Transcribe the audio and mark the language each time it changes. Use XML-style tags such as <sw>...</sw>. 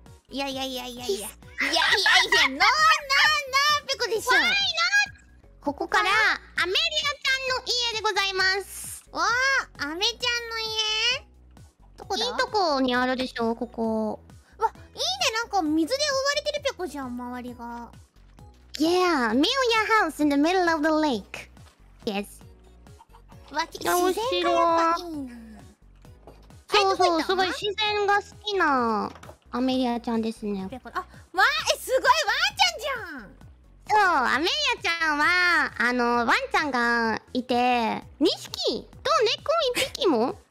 <ja>いやいやいやいやいやいやいやいや、ノーノーノー、ペコでしょ。ワイノー。ここからアメリアちゃんの家でございます。わー、アメちゃんの家、どこだ。いいとこにあるでしょ、ここ。わ、いいね、なんか水で覆われてるペコじゃん、周りが。</ja> <en>Yeah, build your house in the middle of the lake. Yes。</en> <ja>わ、自然がやっぱいいな。そうそう、すごい自然が好きなアメリアちゃんですね。あ、わー、え、すごい、ワンちゃんじゃん。そう、アメリアちゃんはあのワンちゃんがいて2匹と猫1匹も</ja>